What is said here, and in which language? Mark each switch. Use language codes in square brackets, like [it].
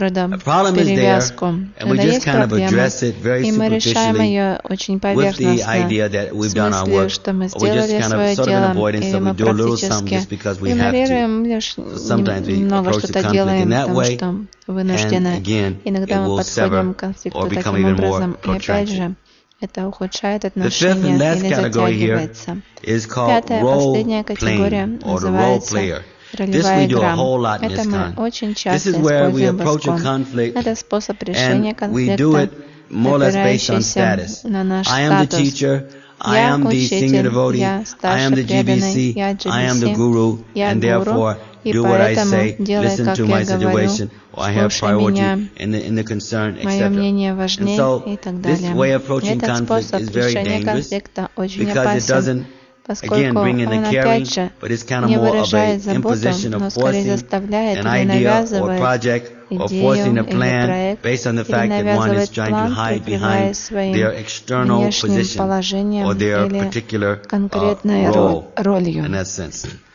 [en] a problem is there, and we just kind of address it very superficially with the idea that we've done our work, or we're just kind of sort of an avoidance, so we do a little something just because we have to. So sometimes we approach the conflict in that way, and again, it will sever or become even more protracted. [ru] Это ухудшает отношения или затягивается. Пятая, последняя категория называется ролевая игра. Это мы очень часто используем боском. Это способ решения конфликта, опирающийся на наш статус. [en] I am the senior devotee, I am the GBC, I am the guru, and therefore do what I say, listen to my situation, or I have priority in the concern, etc. And so this way of approaching conflict is very dangerous, because it doesn't, again, bring in the caring, but it's kind of more of an imposition of forcing an idea or project, or forcing a plan based on the fact that one is trying to hide behind their external position or their particular role, in that sense.